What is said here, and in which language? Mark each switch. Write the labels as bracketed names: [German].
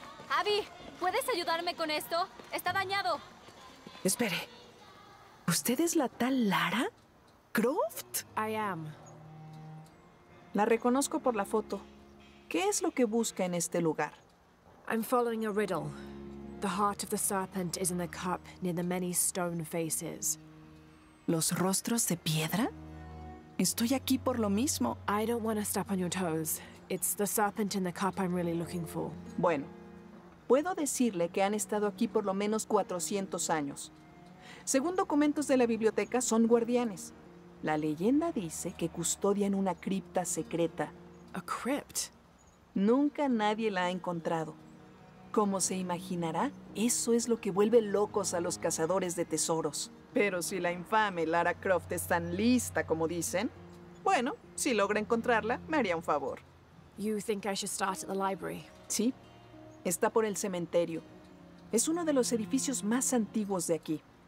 [Spanish] Javi, ¿puedes ayudarme con esto? Está dañado. Espere. ¿Usted es la tal Lara? ¿Croft? [English] I am. [Spanish] La reconozco por la foto. ¿Qué es lo que busca en este lugar? [English] I'm following a riddle. The heart of the serpent is in the cup near the many stone faces. [Spanish] ¿Los rostros de piedra? Estoy aquí por lo mismo. [English] I don't want to step on your toes. It's the serpent in the cup I'm really looking for. [Spanish] Bueno, puedo decirle que han estado aquí por lo menos 400 años. Según documentos de la biblioteca, son guardianes. La leyenda dice que custodian una cripta secreta. [English] A crypt? [Spanish] Nunca nadie la ha encontrado. Como se imaginará, eso es lo que vuelve locos a los cazadores de tesoros. Pero si la infame Lara Croft es tan lista como dicen, bueno, si logra encontrarla, me haría un favor. [English] You think I should start at the library? [Spanish] Sí. Está por el cementerio. Es uno de los edificios más antiguos de aquí.